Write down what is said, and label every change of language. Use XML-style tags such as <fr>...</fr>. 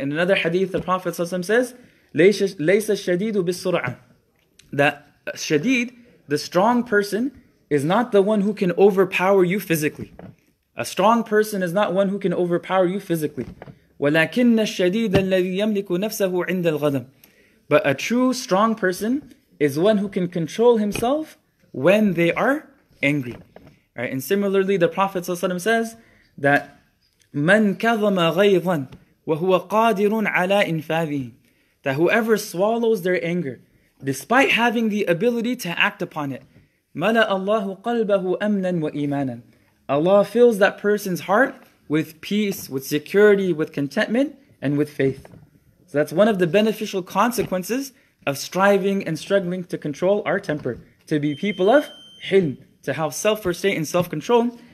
<en>In another hadith, the Prophet ﷺ says,</en> <ar>لَيْسَ الشَّدِيدُ بِالسُّرْعَةِ,</ar> <en>that shadid, the strong person, is not the one who can overpower you physically. A strong person is not one who can overpower you physically.</en> <ar>وَلَكِنَّ الشَّدِيدَ الَّذِي يَمْلِكُ نَفْسَهُ عِنْدَ الْغَدَمِ.</ar> <en>But a true strong person is one who can control himself when they are angry. Right? And similarly, the Prophet ﷺ says that</en> <ar>مَنْ كَظَمَ غَيْظًا وَهُوَ قَادِرٌ عَلَىٰ إِنْفَاذِهِ.</ar> <en>That whoever swallows their anger, despite having the ability to act upon it,</en> <ar>مَلَأَ اللَّهُ قَلْبَهُ أَمْنًا وَإِيمَانًا.</ar> <en>Allah fills that person's heart with peace, with security, with contentment, and with faith. So that's one of the beneficial consequences of striving and struggling to control our temper, to be people of hilm, to have self-restraint and self-control.</en>